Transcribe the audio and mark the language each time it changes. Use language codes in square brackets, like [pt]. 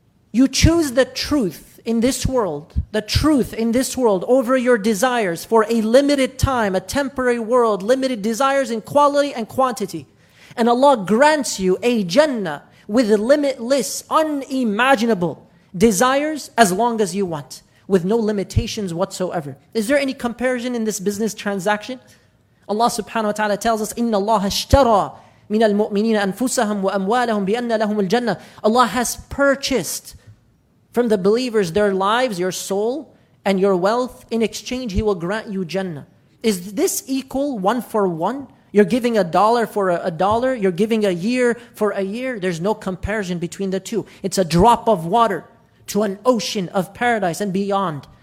[en] You choose the truth in this world, the truth in this world over your desires for a limited time, a temporary world, limited desires in quality and quantity. And Allah grants you a Jannah with limitless, unimaginable desires as long as you want, with no limitations whatsoever. Is there any comparison in this business transaction? Allah subhanahu wa ta'ala tells us, [ar] إِنَّ اللَّهَ اشْتَرَى مِنَ الْمُؤْمِنِينَ أَنفُسَهُمْ وَأَمْوَالَهُمْ بِأَنَّ لَهُمُ الْجَنَّةِ. [en] Allah has purchased from the believers their lives, your soul, and your wealth. In exchange, He will grant you Jannah. Is this equal one for one? You're giving a dollar for a dollar. You're giving a year for a year. There's no comparison between the two. It's a drop of water to an ocean of paradise and beyond.